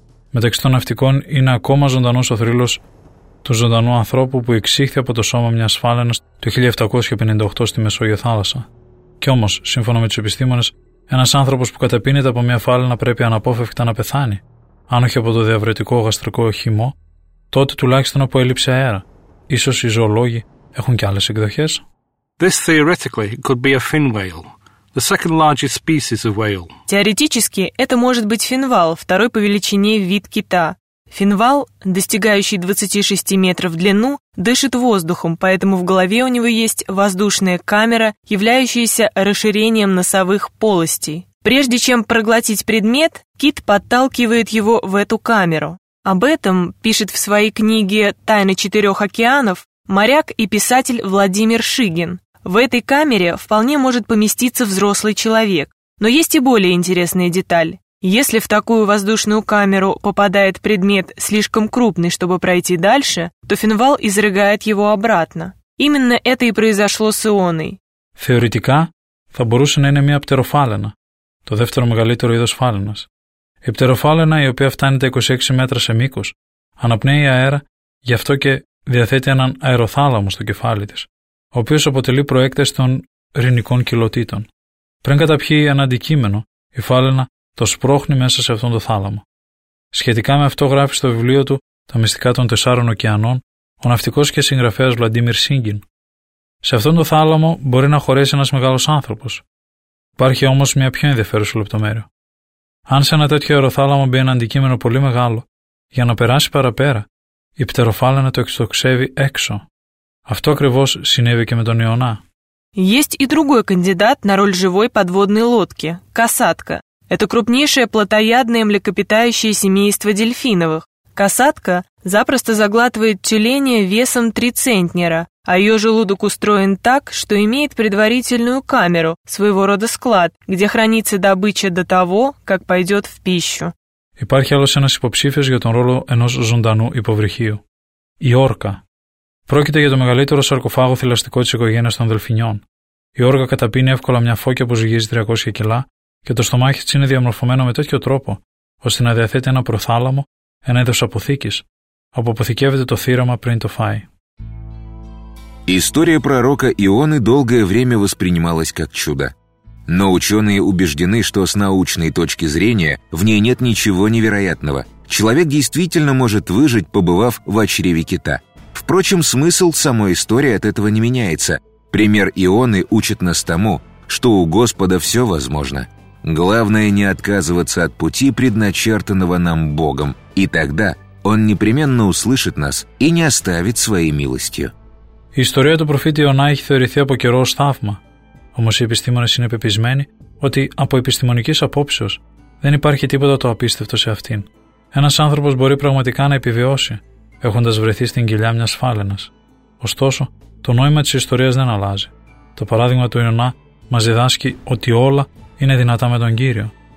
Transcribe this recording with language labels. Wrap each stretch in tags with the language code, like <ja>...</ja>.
<el>Μεταξύ των ναυτικών είναι ακόμα ζωντανός ο θρύλος του ζωντανού ανθρώπου που εξήχθη από το σώμα μιας φάλαινας το 1758 στη Μεσόγειο θάλασσα. Κι όμως, σύμφωνα με τους επιστήμονες, ένας άνθρωπος που καταπίνεται από μια φάλαινα πρέπει αναπόφευκτα να πεθάνει. Αν όχι από το διαβρετικό γαστρικό χυμό, τότε τουλάχιστον από έλλειψη αέρα. Ίσως οι ζωολόγοι έχουν κι άλλες εκδοχές.</el> <en>This theoretically could be a fin whale. The second largest species of whale.</en> <ru>Теоретически, это может быть финвал, второй по величине вид кита. Финвал, достигающий 26 метров в длину, дышит воздухом, поэтому в голове у него есть воздушная камера, являющаяся расширением носовых полостей. Прежде чем проглотить предмет, кит подталкивает его в эту камеру. Об этом пишет в своей книге «Тайны четырех океанов» моряк и писатель Владимир Шигин. В этой камере вполне может поместиться взрослый человек. Но есть и более интересная деталь. Если в такую воздушную камеру попадает предмет слишком крупный, чтобы пройти дальше, то финвал изрыгает его обратно. Именно это и произошло с Ионой. Теоретика,</ru> <el>θα μπορούσε να είναι μια πτεροφάλαινα, το δεύτερο μεγαλύτερο είδος φάλαινας. Η πτεροφάλαινα, η οποία φτάνει τα 26 μέτρα σε μήκος, αναπνέει αέρα, γι' αυτό και διαθέτει έναν αεροθάλαμο στο κεφάλι της, ο οποίος αποτελεί προέκταση των ρινικών κοιλωτήτων. Πριν καταπιεί ένα αντικείμενο, η φάλαινα το σπρώχνει μέσα σε αυτόν τον θάλαμο. Σχετικά με αυτό γράφει στο βιβλίο του «Τα μυστικά των τεσσάρων ωκεανών» ο ναυτικός και συγγραφέας Βλαντίμιρ Σίγκιν. Σε αυτόν τον θάλαμο μπορεί να χωρέσει ένας μεγάλος άνθρωπος. Υπάρχει όμως μια πιο ενδιαφέρουσα λεπτομέρεια. Αν σε ένα τέτοιο αεροθάλαμο μπει ένα αντικείμενο πολύ μεγάλο, για να περάσει παραπέρα, η πτεροφάλαινα το εξοξεύει έξω. Αυτό ακριβώς συνέβη και με τον Ιωνά.</el> <ru>Есть и другой кандидат на роль живой подводной лодки – касатка. Это крупнейшее плотоядное млекопитающее семейство дельфиновых. Касатка запросто заглатывает тюленя весом 3 центнера, а ее желудок устроен так, что имеет предварительную камеру, своего рода склад, где хранится добыча до того, как пойдет в пищу.</ru> <el>Υπάρχει άλλος ένας υποψήφιος για τον ρόλο ενός ζωντανού υποβρυχίου. Η όρκα. Πρόκειται για το μεγαλύτερο σαρκοφάγο θηλαστικό της οικογένειας των δελφινιών. Η όρκα καταπίνει εύκολα μια φώκια που ζυγίζει 300 κιλά και το στομάχι της είναι διαμορφωμένο με τέτοιο τρόπο, ώστε να διαθέτει ένα προθάλαμο, ένα είδος αποθήκης, όπου αποθηκεύεται το θύραμα πριν το φάει.</el> <ru>История пророка Ионы долгое время воспринималась как чудо. Но ученые убеждены, что с научной точки зрения в ней нет ничего невероятного. Человек действительно может выжить, побывав в чреве кита. Впрочем, смысл самой истории от этого не меняется. Пример Ионы учит нас тому, что у Господа все возможно. Главное не отказываться от пути, предначертанного нам Богом. И тогда Он непременно услышит нас и не оставит своей милостью.</ru> <el>Η ιστορία του προφήτη Ιωνά έχει θεωρηθεί από καιρό ως θαύμα. Όμως οι επιστήμονες είναι πεπισμένοι ότι από επιστημονικής απόψεως δεν υπάρχει τίποτα το απίστευτο σε αυτήν. Ένας άνθρωπος μπορεί πραγματικά να επιβιώσει, έχοντας βρεθεί στην κοιλιά μιας φάλαινας. Ωστόσο, το νόημα της ιστορίας δεν αλλάζει. Το παράδειγμα του Ιωνά μας διδάσκει ότι όλα είναι δυνατά με τον Κύριο.</el>